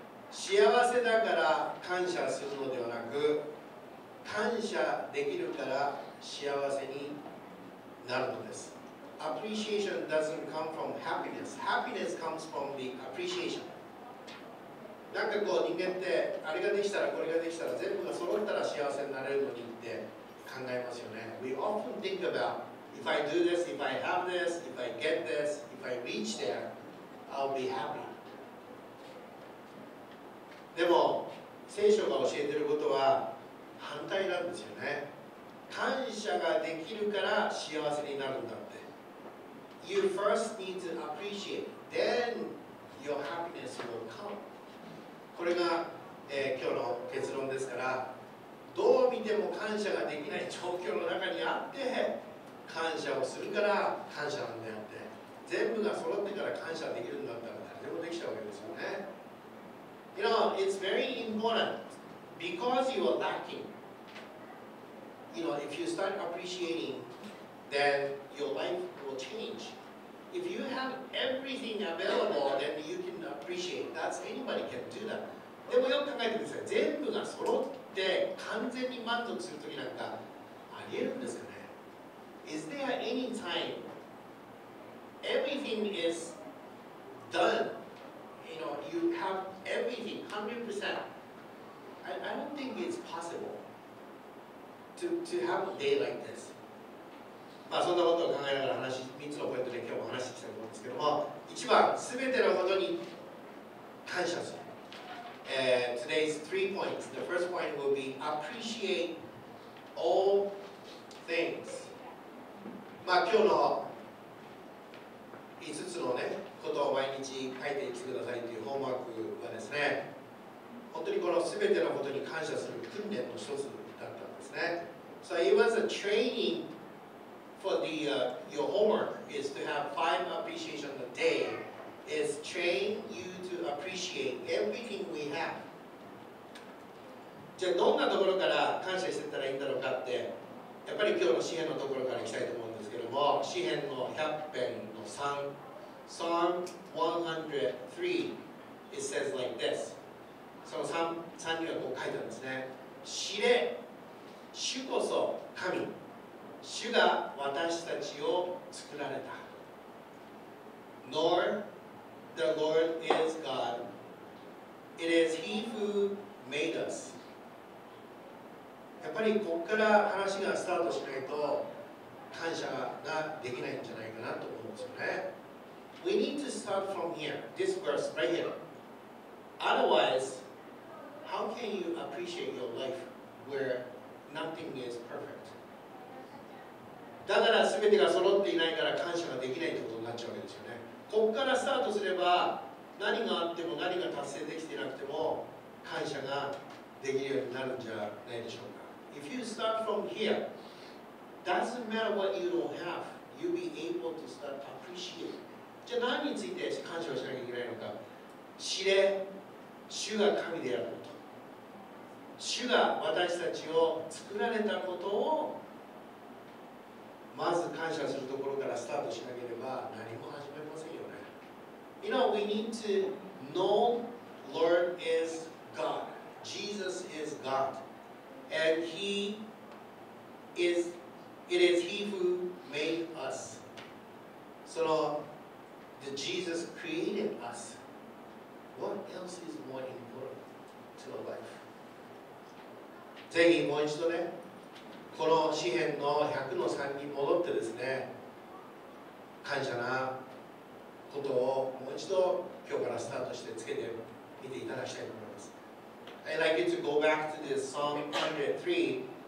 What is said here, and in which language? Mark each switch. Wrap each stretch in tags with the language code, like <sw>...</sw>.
<ja>幸せだから感謝するのではなく、感謝できるから幸せになるのです。</ja> <en>Appreciation doesn't come from happiness. Happiness comes from the appreciation.</en> <ja>なんかこう人間ってあれができたらこれができたら全部が揃ったら幸せになれるのにって考えますよね。</ja> <en>We often think about if I do this, if I have this, if I get this, if I reach there, I'll be happy.</en> <ja>でも聖書が教えていることは反対なんですよね。感謝ができるから幸せになるんだって。</ja> <en>You first need to appreciate, then your happiness will come.</en> <ja>これが、今日の結論ですから、どう見ても感謝ができない状況の中にあって、感謝をするから感謝なんだよって。全部が揃ってから感謝できるんだったら誰でもできちゃうわけですよね。</ja> <en>You know, it's very important. Because you are lacking, you know, if you start appreciating, then your life will change. If you have everything available, then you can appreciate. That's anybody can do that.</en> <ja>でもよく考えてください。全部が揃って完全に満足するときなんかありえるんですかね。</ja> <en>Is there any time everything is done? You know, you have everything, 100%. I don't think it's possible to have a day like this.</en> <ja>まあそんなことを考えながら話、3つのポイントで今日も話していきたいと思うんですけども、1番、すべてのことに感謝する。</ja> <en>Today's three points. The first point will be appreciate all things.</en> <ja>まあ今日の5つのね、ことを毎日書いていってくださいというホームワークはですね、本当にこの全てのことに感謝する訓練の一つだったんですね。</ja> <en>So it was a training for the, your homework is to have five appreciation a day is train you to appreciate everything we have.</en> <ja>じゃあどんなところから感謝していったらいいんだろうかって、やっぱり今日の詩編のところからいきたいと思うんですけども、詩編の100編の3</ja> <en>Psalm 103 It says like this。</en> <ja>その 3にはこう書いてあるんですね。知れ、主こそ神、主が私たちを作られた。</ja> <en>Nor the Lord is God, it is He who made us。</en> <ja>やっぱりここから話がスタートしないと感謝ができないんじゃないかなと思うんですよね。</ja> <en>We need to start from here, this verse right here. Otherwise, how can you appreciate your life where nothing is perfect?</en> <ja>だから全てが揃っていないから感謝ができないということになっちゃうわけですよね。ここからスタートすれば、何があっても何が達成できていなくても感謝ができるようになるんじゃないでしょうか。</ja> <en>If you start from here, doesn't matter what you don't have, you'll be able to start appreciating.</en> <ja>じゃあ何について感謝をしなきゃいけないのか。知れ、主が神であること。主が私たちを作られたことをまず感謝するところからスタートしなければ何も始めませんよね。</ja> <en>You know, we need to know Lord is God. Jesus is God. And He is, it is He who made us. その、the Jesus created us. What else is more important to our life?</en> <ja>ぜひもう一度ね。この詩編の100の3に戻ってですね、感謝なことをもう一度今日からスタートしてつけてみていただきたいと思います。</ja> <en>I'd like you to go back to this Psalm 103.</en>